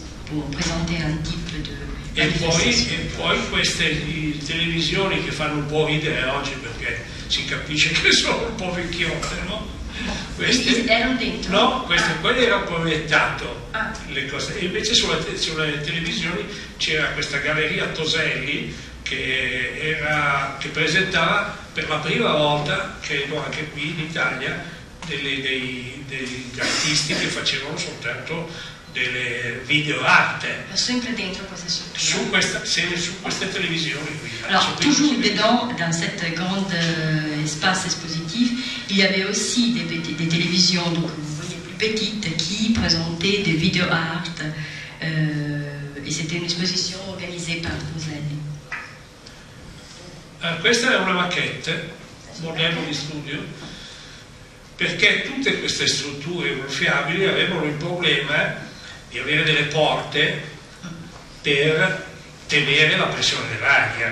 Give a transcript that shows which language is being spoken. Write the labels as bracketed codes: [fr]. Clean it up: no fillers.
[fr] pour présenter un type de [it] e poi queste televisioni che fanno un po' ridere oggi perché si capisce che sono un po' vecchiotte, no? Queste, erano dentro? No, queste, quelle erano proiettate le cose. E invece sulle televisioni c'era questa galleria Toselli che presentava per la prima volta, credo anche qui in Italia, degli artisti che facevano soltanto delle video arte. Ma sempre dentro queste strutture? Su queste televisioni qui. [fr] Alors, toujours dedans, dans cet grand espace expositif, il y avait aussi des télévisions, donc vous voyez plus petites, qui présentaient des video art. Et c'était une exposition organisée par Roselli. [it] Questa è una maquette, modello di studio, perché tutte queste strutture gonfiabili avevano il problema di avere delle porte per tenere la pressione dell'aria.